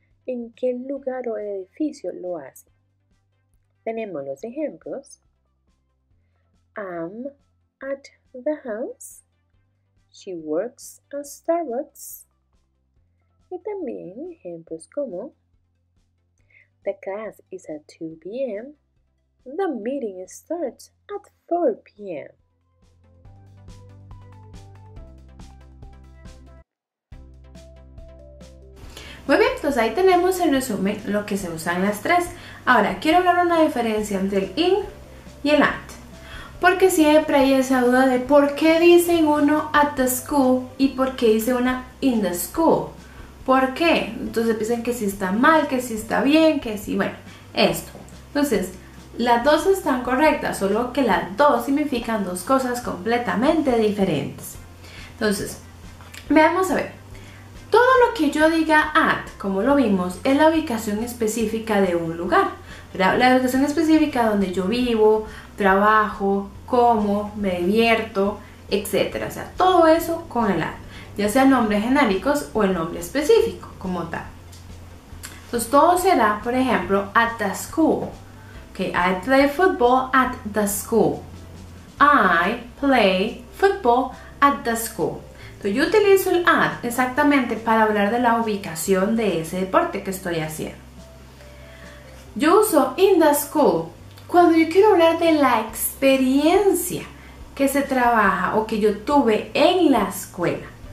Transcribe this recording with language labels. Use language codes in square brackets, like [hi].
[es] ¿En qué lugar o edificio lo hacen? Tenemos los ejemplos. [en] I'm at the house. She works at Starbucks. [es] Y también ejemplos como [en] the class is at 2 p.m. The meeting starts at 4 p.m. [es] Muy bien, entonces ahí tenemos en resumen lo que se usan las tres. Ahora, quiero hablar una diferencia entre el in y el at. Porque siempre hay esa duda de por qué dicen uno [en] at the school [es] y por qué dice una [en] in the school. [es] ¿Por qué? Entonces piensan que si está mal, que si está bien, que si, bueno, esto. Entonces, las dos están correctas, solo que las dos significan dos cosas completamente diferentes. Entonces, veamos a ver. Todo lo que yo diga at, como lo vimos, es la ubicación específica de un lugar. La ubicación específica donde yo vivo, trabajo, como, me divierto, etc. O sea, todo eso con el at. Ya sean nombres genéricos o el nombre específico, como tal. Entonces, todo será, por ejemplo, [en] at the school. Okay, I play football at the school. I play football at the school. [es] Entonces, yo utilizo el at exactamente para hablar de la ubicación de ese deporte que estoy haciendo. Yo uso [en] in the school [es] cuando yo quiero hablar de la experiencia que se trabaja o que yo tuve en la escuela.